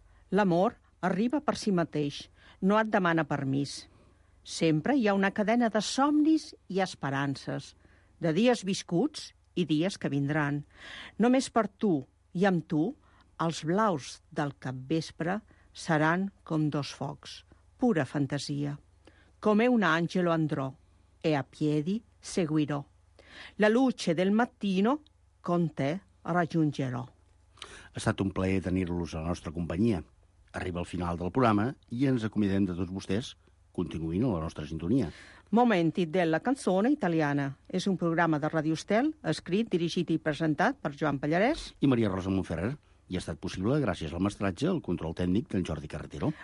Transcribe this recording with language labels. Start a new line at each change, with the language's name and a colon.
Catalan: L'amor arriba per si mateix, no et demana permís. Sempre hi ha una cadena de somnis i esperances, de dies viscuts i dies que vindran. Només per tu i amb tu, els blaus del capvespre seran com dos focs, pura fantasia.
Italian: Come un angelo andrò, e a piedi seguirò. La luce del mattino con te raggiungerò.
Catalan: Ha estat un plaer tenir-los a la nostra companyia. Arriba el final del programa i ens acomiadem de tots vostès, continuïn la nostra sintonia.
Italian: Momenti della canzone italiana.
Catalan: És un programa de Ràdio Estel, escrit, dirigit i presentat per Joan Pallarès i Maria Rosa Montferrer. I ha estat possible gràcies al mestratge, al control tècnic d'en Jordi Carretero.